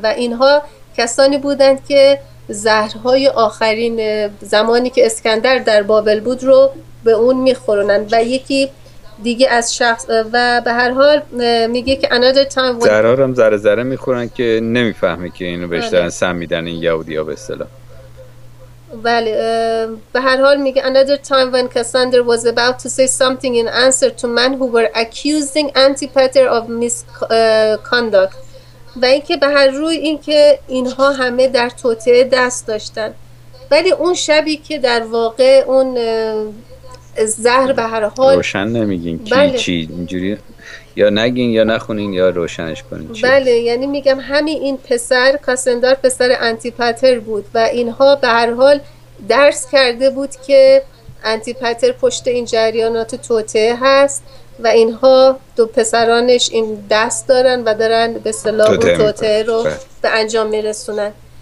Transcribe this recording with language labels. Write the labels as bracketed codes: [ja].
[fa] و اینها کسانی بودند که زهرهای آخرین زمانی که اسکندر در بابل بود رو به اون میخورونن و یکی دیگه از شخص، و به هر حال میگه که [en] another time when... [fa] ضرار هم ذره ذره میخورن که نمیفهمه که اینو بهش دارن سم میدن این یهودی ها به اصطلاح. ولی به هر حال میگه [en] another time when Cassandra was about to say something in answer to men who were accusing Antipater of misconduct. [fa] و این که به هر روی این که اینها همه در توطئه دست داشتن، ولی اون شبی که در واقع اون زهر به هر حال روشن نمیگین کی بله. چی اینجوری یا نگین یا نخونین یا روشنش کنین. بله یعنی میگم همین این پسر کاسندار پسر انتیپاتر بود و اینها به هر حال درس کرده بود که انتیپاتر پشت این جریانات توطئه هست و اینها دو پسرانش این دست دارن و دارن به صلاح توطئه رو به انجام میرسونن.